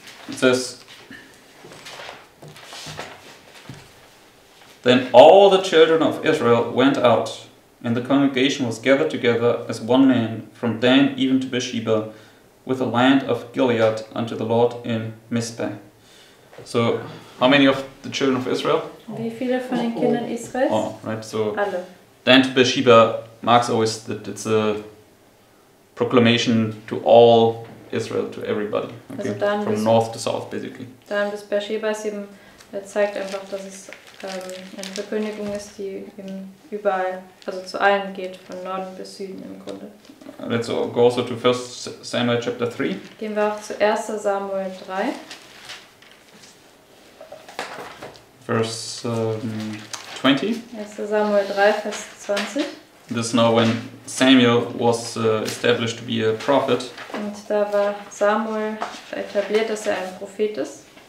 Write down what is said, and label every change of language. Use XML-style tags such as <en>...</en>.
<en>Says, then all the children of Israel went out, and the congregation was gathered together as one man from Dan even to Beersheba, with the land of Gilead unto the Lord in Mizpah. So, how many of the children of Israel?</en> <de>Wie viele von den Kindern Israels?</de> <en>Oh, right. So,</en> <de>alle.</de> <en>Dan to Beersheba marks always that it's a proclamation to all Israel to everybody, okay?</en> <de>Also dann</de> <en>from</en> <de>bis,</de> <en>north to south, basically.</en> <de>Dan bis Beersheba eben zeigt einfach, dass es eine Verkündigung ist, die eben überall, also zu allen geht, von Norden bis Süden im Grunde.</de> <en>Let's go also to 1 Samuel chapter 3.</en> <de>Gehen wir auch zu 1 Samuel 3.</de> <en>Verse 20.</en> <de>1 Samuel 3, Vers 20.</de> <en>This is now when Samuel was established to be a prophet.</en> <de>Und da war Samuel etabliert, dass ein Prophet ist.</de>